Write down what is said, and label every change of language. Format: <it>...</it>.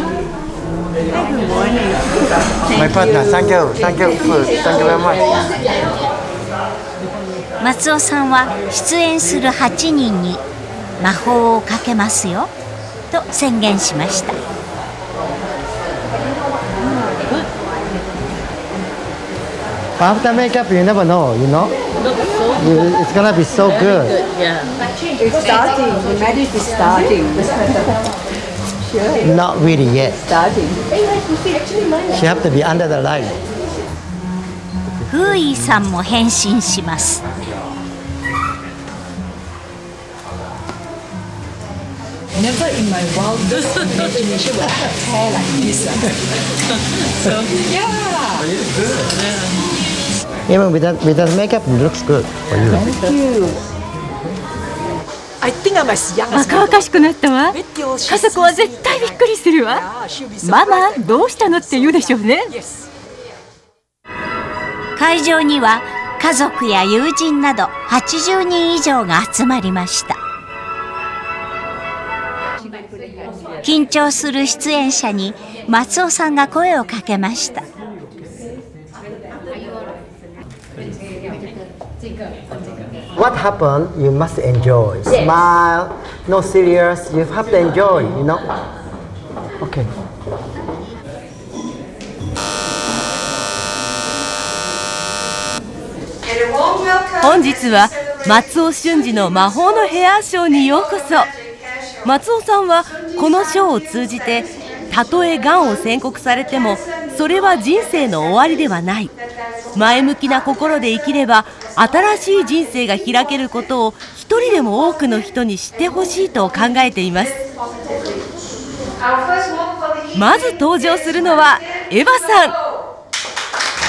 <en>My partner, thank you very much.</en> <ja>松尾さんは出演する8人に魔法をかけますよと宣言しました。</ja> <en>After makeup, you never know, you know? It's gonna be so good. It's starting. The magic is starting. Not really yet. Starting. She has to be under the light.</en> <ja>Fuyi san も変身します。</ja> <en>Never in my wildest imagination would have hair like this. Yeah. Even without makeup, it looks good for you. Thank you.</en> <ja>若々しくなったわ。家族は絶対びっくりするわ。ママ、どうしたのって言うでしょうね。会場には家族や友人など80人以上が集まりました。緊張する出演者に松尾さんが声をかけました。</ja> <en>What happened? You must enjoy. Smile. No serious. You have to enjoy, you know? Okay. Today is the Matsuo Shunji Magic Hair Show. Welcome. Matsuo is through this show, even if he has been diagnosed with cancer, it is not the end of his life. If he lives with a positive heart,</en> <ja>新しい人生が開けることを一人でも多くの人に知ってほしいと考えています。まず登場するのはエヴァさん。</ja>